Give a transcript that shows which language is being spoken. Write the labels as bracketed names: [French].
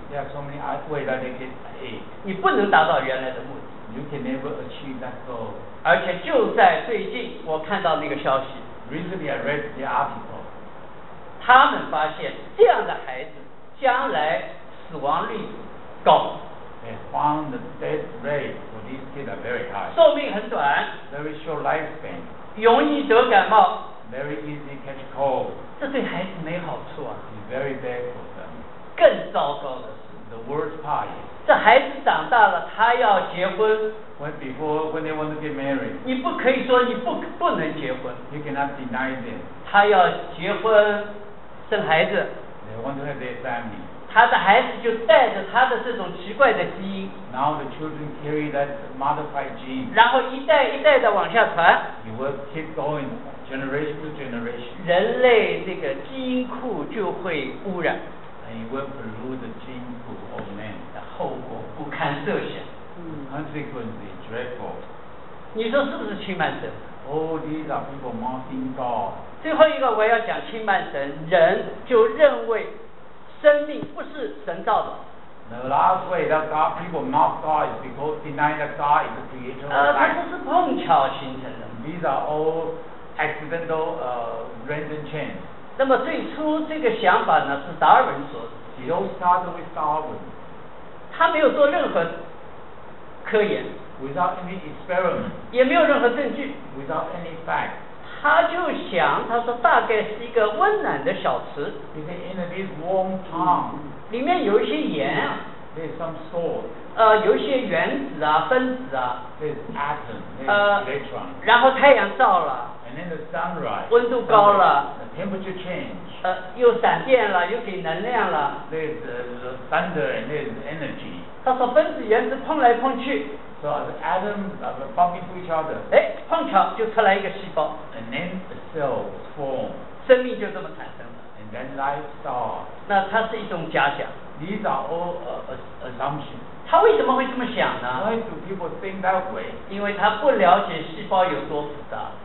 [English] There are so many ways to get AIDS. [Chinese] 你不能达到原来的目的。 [English] You can never achieve that goal. [Chinese] 而且就在最近，我看到那个消息。 [English] Recently, I read the article. [Chinese] 他们发现这样的孩子将来死亡率高。 [English] They found the death rate for these kids are very high. [Chinese] 寿命很短。 [English] Very short lifespan. [Chinese] 容易得感冒。 [English] Very easy catch cold. [Chinese] 这对孩子没好处啊。 [English] It's very bad for them. [Chinese] 更糟糕的是。 [English] The worst part is. [Chinese] 这孩子长大了，他要结婚。 [English] When they want to get married. [Chinese] 你不可以说你不能结婚。 [English] You cannot deny them. [Chinese] 他要结婚生孩子 [English] They want to have their family. [Chinese] 他的孩子就带着他的这种奇怪的基因 [English] Now the children carry that modified gene. [Chinese] 然后一代一代的往下传 [English] It will keep going generation to generation. [Chinese] 人类这个基因库就会污染 [English] And it will pollute the gene pool of man. [Chinese] 后果不堪设想 [English] Consequently dreadful. [Chinese] 你说是不是轻慢症 [English] Oh, these are people mocking God. [Chinese] 最后一个我要讲轻慢神，人就认为生命不是神造的。 [English] The last way that God, people mock God is because deny that God is the creator of life. [Chinese] 它不是碰巧形成的。 [English] These are all accidental, random chance. [Chinese] 那么最初这个想法呢是达尔文说的。 [English] He all started with Darwin. [Chinese] 他没有做任何科研。 [English] Without any experiment, [Chinese] 也没有任何证据。 [English] Without any fact, [Chinese] 他就想，他说大概是一个温暖的小池。 [English] In a big warm town, [Chinese] 里面有一些盐。 [English] There's some salt. [Chinese] 有一些原子啊，分子啊。 [English] There's atom, there's electron. [Chinese] 然后太阳照了。 [English] And then the sunrise. [Chinese] 温度高了。 [English] The temperature change. [Chinese] 又闪电了，又给能量了。 [English] There's thunder and there's energy. [Chinese] 他说分子原子碰来碰去。 [English] So the atom bumping to each other. [Chinese] 哎，碰巧就出来一个细胞。 [English] And then the cells form. [Chinese] 生命就这么产生了。 [English] And then life starts. [Chinese] 那它是一种假想。 [English] These are all assumptions. [Chinese] 他为什么会这么想呢？ [English] Why do people think that way? [Chinese] 因为他不了解细胞有多复杂。